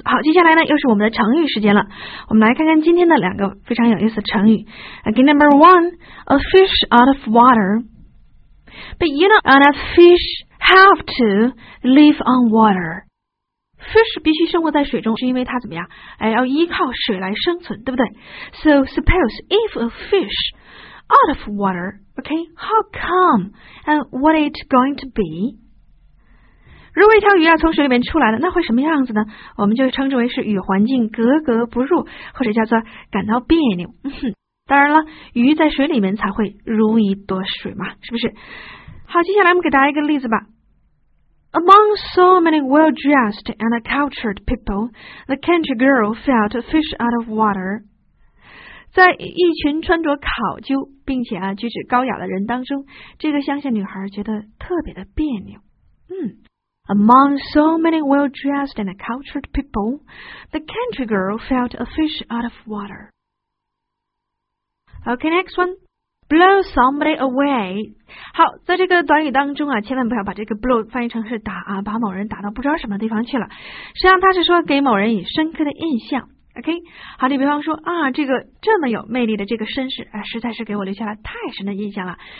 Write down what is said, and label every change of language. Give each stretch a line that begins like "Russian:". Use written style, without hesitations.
Chinese: 好，接下来呢又是我们的成语时间了。我们来看看今天的两个非常有意思的成语。
English: Again, number one, a fish out of water. But you know, and a fish have to live on water.
Chinese: Fish 必须生活在水中，是因为它怎么样？哎，要依靠水来生存，对不对
English: ？So suppose if a fish out of water, okay, how come and what it going to be?
Chinese: 如果一条鱼啊从水里面出来了，那会什么样子呢？我们就称之为是与环境格格不入，或者叫做感到别扭。当然了，鱼在水里面才会如鱼得水嘛，是不是？好，接下来我们给大家一个例子吧。
English: Among so many well-dressed and cultured people, the country girl felt a fish out of water.
Chinese: 在一群穿着考究并且啊举止高雅的人当中，这个乡下女孩觉得特别的别扭。
English: Among so many well-dressed and cultured people, the country girl felt a fish out of water. Okay, next one. Blow somebody away.
Chinese: 好，在这个短语当中啊，千万不要把这个 blow 翻译成是打啊，把某人打到不知道什么地方去了。实际上它是说给某人以深刻的印象。OK, 好，你比方说啊，这个这么有魅力的这个绅士啊，实在是给我留下了太深的印象了。